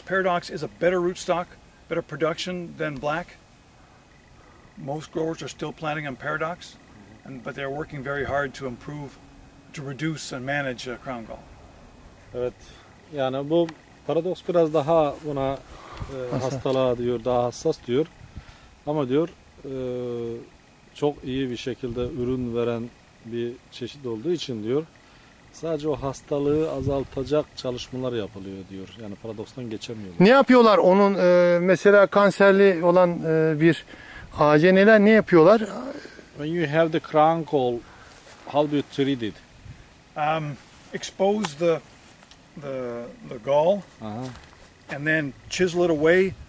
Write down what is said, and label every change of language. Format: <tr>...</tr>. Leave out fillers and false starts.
<en>Paradox is a better rootstock, better production than black. Most growers are still planting on paradox, but they're working very hard to improve, to reduce and manage crown gall.</en> <tr>Evet, yani bu paradox biraz daha buna hastalığa diyor, daha hassas diyor. Ama diyor çok iyi bir şekilde ürün veren bir çeşit olduğu için diyor sadece o hastalığı azaltacak çalışmalar yapılıyor diyor. Yani paradokstan geçemiyorlar. Ne yapıyorlar onun mesela kanserli olan bir ağaca neler ne yapıyorlar?</tr> <en>When you have the crown call, how do you treat it? Expose the gall and then chisel it away</en>